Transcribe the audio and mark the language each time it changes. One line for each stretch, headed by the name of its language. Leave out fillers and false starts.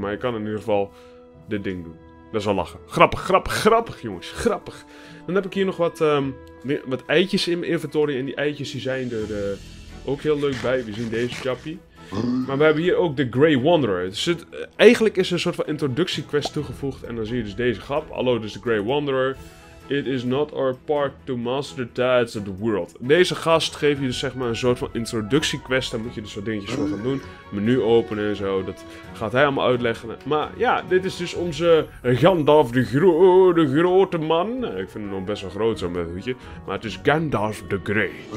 Dutch: Maar je kan in ieder geval dit ding doen. Dat is wel lachen. Grappig, grappig, grappig jongens. Grappig. Dan heb ik hier nog wat, wat eitjes in mijn inventory. En die eitjes die zijn er ook heel leuk bij. We zien deze chappie. Maar we hebben hier ook de Grey Wanderer. Dus het, eigenlijk is er een soort van introductiequest toegevoegd. En dan zie je dus deze grap. Hallo, dit is de Grey Wanderer.
English: It is not our part to master the tides of the world.
Dutch: Deze gast geeft je dus zeg maar een soort van introductiequest. Daar moet je dus wat dingetjes voor gaan doen. Menu openen en zo. Dat gaat hij allemaal uitleggen. Maar ja, dit is dus onze Gandalf de grote man. Ik vind hem nog best wel groot zo met hoedje. Maar het is Gandalf de Grey.